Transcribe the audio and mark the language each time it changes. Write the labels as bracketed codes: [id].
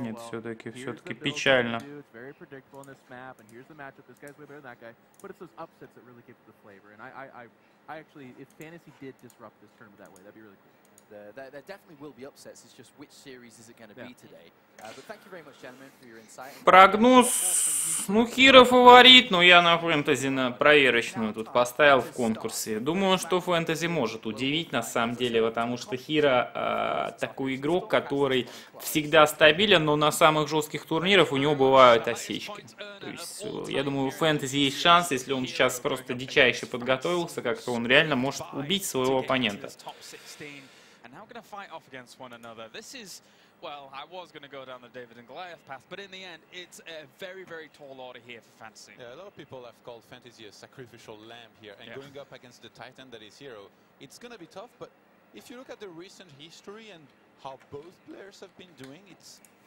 [ru] нет, все-таки печально. [en] It's very predictable in this map, and here's the matchup. This guy's way better than that guy. But it's those upsets that really give the flavor. And I actually, if Fantasy did disrupt this tournament that way, that'd be really cool. There definitely will be upsets. It's just which series is it going to be today? But thank you very much, gentlemen, for your insight. [ru] Прогноз, ну, Хиро фаворит, но я на Фэнтези на проверочную тут поставил в конкурсе. Думаю, что Фэнтези может удивить на самом деле, потому что Хиро такой игрок, который всегда стабилен, но на самых жестких турнирах у него бывают осечки. То есть, я думаю, у Фэнтези есть шанс, если он сейчас просто дичайше подготовился, как-то он реально может убить своего оппонента. [en] Well, I was going to go down the David and Goliath path, but in the end, it's a very, very tall order here for Fantasy. Yeah, a lot of people have called Fantasy a sacrificial lamb here, and going up against the Titan that is Hero, it's going to be tough, but if you look at the recent history and how both players have been doing, it's...